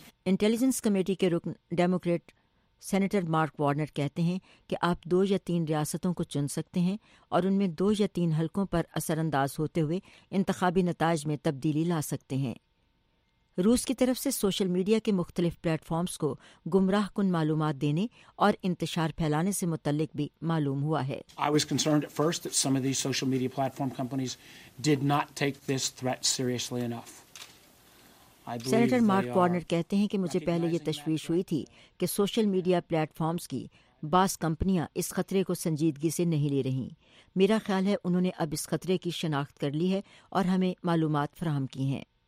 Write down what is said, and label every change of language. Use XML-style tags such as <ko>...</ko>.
<ur>Intelligence committee کے رکن Democrat senator mark Warner کہتے ہیں کہ آپ 2 یا 3 ریاستوں کو چن سکتے ہیں اور ان میں 2 یا 3 حلقوں پر اثر انداز ہوتے ہوئے انتخابی نتائج میں تبدیلی لا سکتے ہیں۔ روس کی طرف سے سوشل میڈیا کے مختلف پلیٹ فارمز کو گمراہ کن معلومات دینے اور انتشار پھیلانے سے متعلق بھی معلوم ہوا ہے۔</ur> <en>I was concerned at first that some of these social media platform companies did not take this threat seriously enough.</en> <ur>Senator mark Warner کہتے ہیں کہ مجھے پہلے یہ تشویش ہوئی تھی کہ سوشل میڈیا پلیٹ فارمز کی بعض کمپنیاں اس خطرے کو سنجیدگی سے نہیں لے رہیں۔ میرا خیال ہے انہوں نے اب اس خطرے کی شناخت کر لی ہے اور ہمیں معلومات فراہم کی ہیں۔</ur>